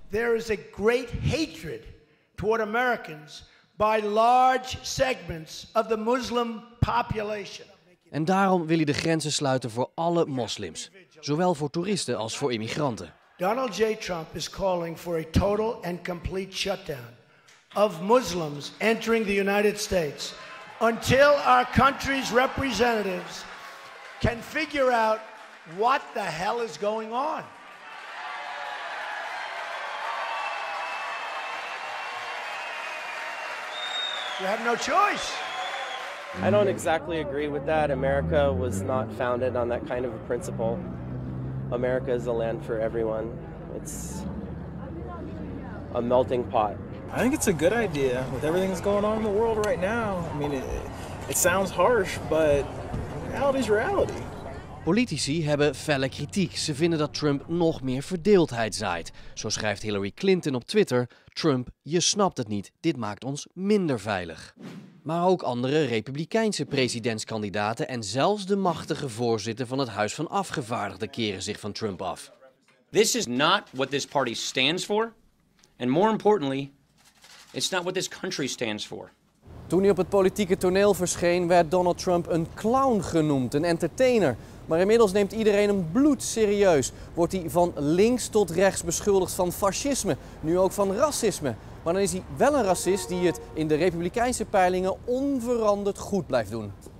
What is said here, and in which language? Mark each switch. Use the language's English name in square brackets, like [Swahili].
[English] There is a great hatred toward Americans by large segments of the Muslim population. [Dutch] En daarom wil hij de grenzen sluiten voor alle moslims, zowel voor toeristen als voor immigranten. [English] Donald J. Trump is calling for a total and complete shutdown of Muslims entering the United States until our country's representatives can figure out what the hell is going on. You have no choice. I don't exactly agree with that. America was not founded on that kind of a principle. America is a land for everyone. It's a melting pot. I think it's a good idea with everything that's going on in the world right now. I mean, it sounds harsh, but reality is reality. [Dutch] Politici hebben felle kritiek. Ze vinden dat Trump nog meer verdeeldheid zaait. Zo schrijft Hillary Clinton op Twitter: Trump, je snapt het niet. Dit maakt ons minder veilig. Maar ook andere republikeinse presidentskandidaten en zelfs de machtige voorzitter van het Huis van Afgevaardigden keren zich van Trump af. [English] This is not what this party stands for. And more importantly, it's not what this country stands for. [Dutch] Toen hij op het politieke toneel verscheen, werd Donald Trump een clown genoemd, een entertainer. Maar inmiddels neemt iedereen hem bloedserieus. Wordt hij van links tot rechts beschuldigd van fascisme, nu ook van racisme. Maar dan is hij wel een racist die het in de republikeinse peilingen onveranderd goed blijft doen.